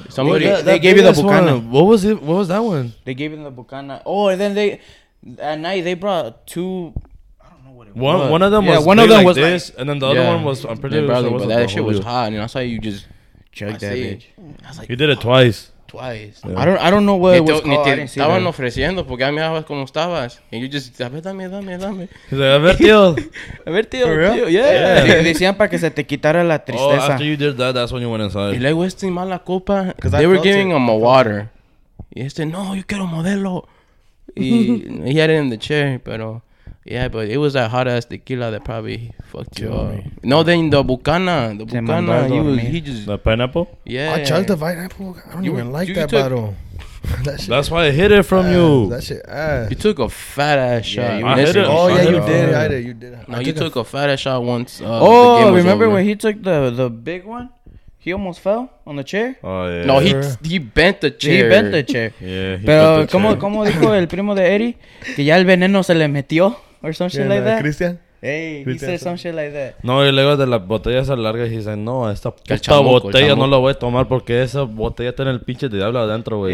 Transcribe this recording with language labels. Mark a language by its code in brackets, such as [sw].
[en] Somebody, yeah, they gave you the Bucana. What was it? What was that one? They gave him the Bucana. Oh, and then they, at night, they brought two. One of them was one of them like was this, like, and then the other one was, I'm pretty sure it was that shit was hot, and I saw you just chugged that bitch. I was like, you did it twice. Twice. I don't know what it was called. [es] Te estaban ofreciendo porque a mí estabas como estabas. [en] And you just, [es] dame. [en] He's like, [es] a ver, tío. [en] For real? Yeah. [es] Decían para que se te quitara la tristeza. [en] Oh, after you did that, that's when you went inside. [es] Y luego este mala copa, [en] they were giving him a water. [es] Y este, no, yo quiero modelo. [en] Y he had it in the chair, [es] pero... [en] Yeah, but it was that hot ass tequila that probably fucked you up. No, then the Bucana, he just. The pineapple? Yeah. I chugged the pineapple. I don't even like that bottle. That's why I hit it from you. That shit ass. You took a fat ass shot. Yeah, you did. No, you took a fat ass shot once. Oh, remember when he took the big one? He almost fell on the chair. Oh yeah. No, he bent the chair. He bent the chair. Yeah. [es] Pero como dijo el primo de Eddie, que ya el veneno se le metió. [en] Or some shit like that. Christian? Hey, Christian. He said some shit like that. [es] No, y luego de las botellas largas, [en] he said, [es] no, esta botella no la voy a tomar porque esa botella está en el pinche diablo adentro, güey.